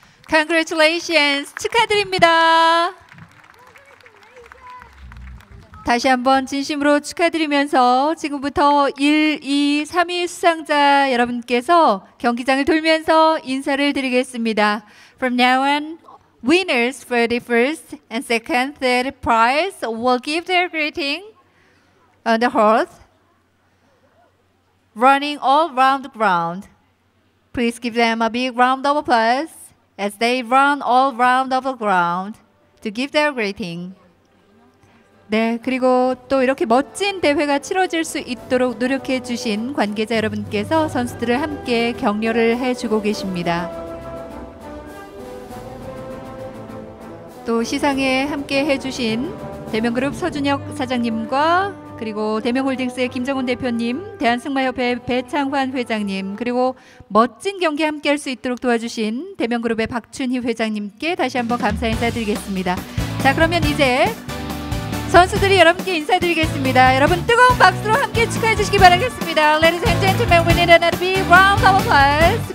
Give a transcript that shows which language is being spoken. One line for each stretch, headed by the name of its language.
English: Congratulations.
Korean: 축하드립니다. 다시 한번 진심으로 축하드리면서 지금부터 1, 2, 3위 수상자 여러분께서 경기장을 돌면서 인사를 드리겠습니다.
English: From now on, winners for the first and second, third prize will give their greeting on the horse running all round the ground. Please give them a big round of applause as they run all round of the ground to give their greeting.
Korean: 네, 그리고 또 이렇게 멋진 대회가 치러질 수 있도록 노력해 주신 관계자 여러분께서 선수들을 함께 격려를 해주고 계십니다. 또 시상에 함께 해주신 대명그룹 서준혁 사장님과 그리고 대명홀딩스의 김정훈 대표님, 대한승마협회 배창환 회장님, 그리고 멋진 경기 함께할 수 있도록 도와주신 대명그룹의 박춘희 회장님께 다시 한번 감사 인사드리겠습니다. 자, 그러면 이제 선수들이 여러분께 인사드리겠습니다. 여러분 뜨거운 박수로 함께 축하해 주시기 바라겠습니다.
English: Ladies and gentlemen, we need another big round of applause.